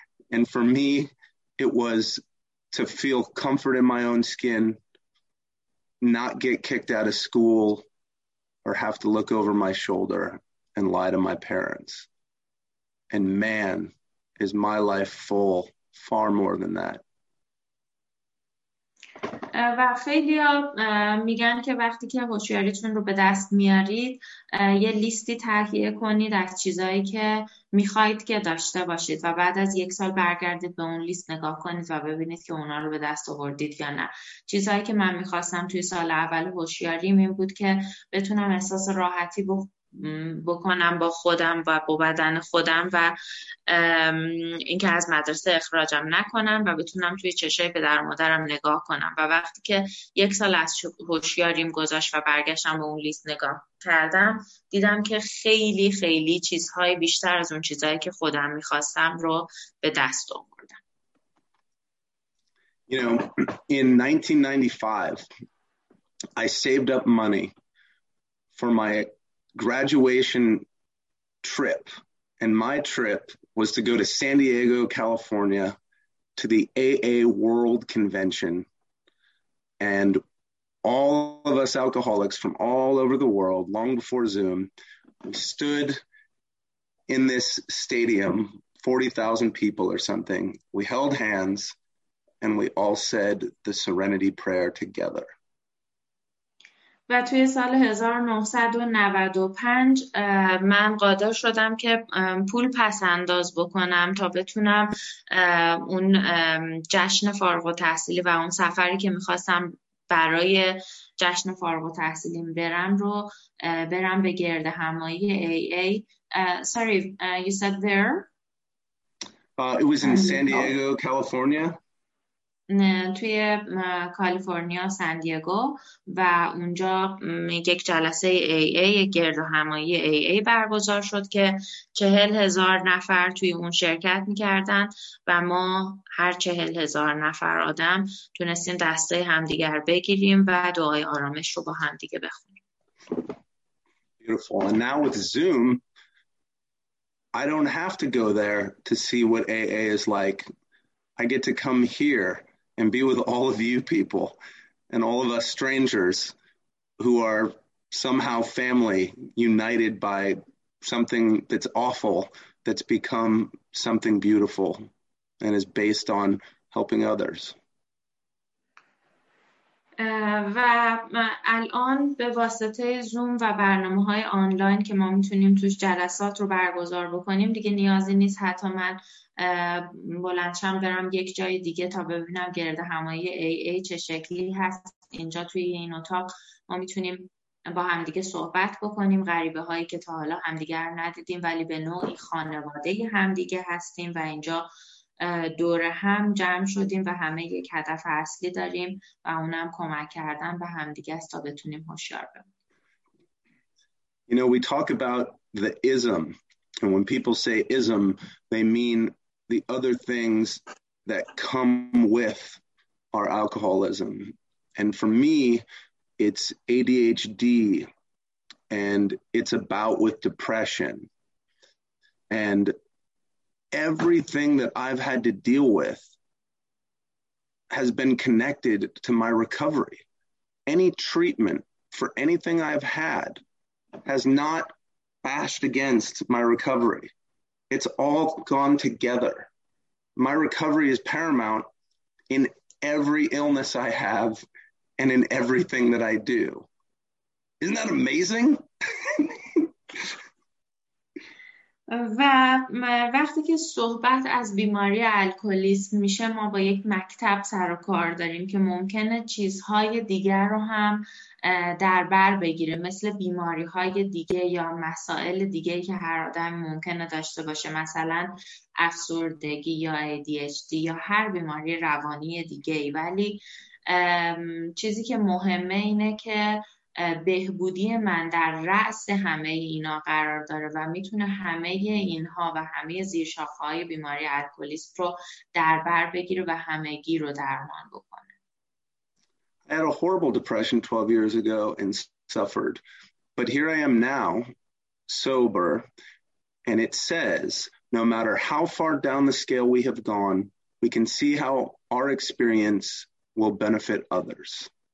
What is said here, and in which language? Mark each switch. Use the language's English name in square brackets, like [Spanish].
[English] And for me, it was to feel comfort in my own skin, not get kicked out of school or have to look over my shoulder and lie to my parents. And man, is my life full far more than that. [Persian] و خیلی ها میگن که وقتی که هوشیاریتون رو به دست میارید یه لیستی تهیه کنید از چیزایی که میخواید که داشته باشید و بعد از یک سال برگردید به اون لیست نگاه کنید و ببینید که اونا رو به دست آوردید یا نه. چیزایی که من میخواستم توی سال اول هوشیاریم این بود که بتونم احساس راحتی بکنم با خودم و با بدن خودم و اینکه از مدرسه اخراجم نکنم و بتونم توی چشای پدر و مادرم نگاه کنم. و وقتی که یک سال از هوشیاریم گذاشت و برگشتم به اون لیست نگاه کردم، دیدم که خیلی خیلی چیزهای بیشتر از اون چیزهایی که خودم میخواستم رو به دست آوردم. [English] You know, in 1995 I saved up money for my graduation trip, and my trip was to go to San Diego, California, to the AA World Convention, and all of us alcoholics from all over the world, long before Zoom, we stood in this stadium, 40,000 people or something, we held hands, and we all said the Serenity Prayer together. [Persian] و توی سال 1995 من قادر شدم که پول پس انداز بکنم تا بتونم اون جشن فارغ التحصیلی و اون سفری که میخواستم برای جشن فارغ التحصیلی برم رو برم به گرد همایی AA. [English] Sorry, you said where? It was in San Diego, California. [Persian] توی کالیفرنیا سان دیگو و اونجا یک جلسه AA گرد همایی AA برگزار شد که 40,000 نفر توی اون شرکت میکردن و ما هر 40,000 نفر آدم تونستیم دسته همدیگر بگیریم و دعای آرامش رو با همدیگه بخونیم. [English] Beautiful. And now with Zoom, I don't have to go there to see what AA is like. I get to come here and be with all of you people and all of us strangers who are somehow family, united by something that's awful that's become something beautiful and is based on helping others. [Persian] و الان به واسطه زوم و برنامه های آنلاین که ما میتونیم توش جلسات رو برگزار بکنیم، دیگه نیازی نیست حتی من بلندشم برم یک جای دیگه تا ببینم گرد همایی AA چه شکلی هست. اینجا توی این اتاق ما میتونیم با همدیگه صحبت بکنیم، غریبه هایی که تا حالا همدیگر ندیدیم ولی به نوعی خانواده همدیگه هستیم و اینجا دور هم جمع شدیم و همه یک هدف اصلی داریم و اونم کمک کردن به همدیگه است تا بتونیم هوشیار بمونیم. [English] You know, we talk about the ism, and when people say ism, they mean the other things that come with our alcoholism. And for me, it's ADHD, and it's about with depression. And everything that I've had to deal with has been connected to my recovery. Any treatment for anything I've had has not bashed against my recovery. It's all gone together. My recovery is paramount in every illness I have and in everything that I do. Isn't that amazing? [Persian] و وقتی که صحبت از بیماری الکلیسم میشه، ما با یک مکتب سر و کار داریم که ممکنه چیزهای دیگر رو هم در بر بگیره، مثل بیماری های دیگه یا مسائل دیگه که هر آدم ممکنه داشته باشه، مثلا افسردگی یا ADHD یا هر بیماری روانی دیگه. ولی چیزی که مهمه اینه که بهبودی من در رأس همه اینا قرار داره و میتونه همه اینها و همه زیرشاخه‌های بیماری الکلیسم رو در بر بگیره و همگی رو درمان بکنه. [English] I had a horrible depression 12 years ago and suffered. But here I am now, sober, and it says no matter how far down the scale we have gone, we can see how our experience will benefit others.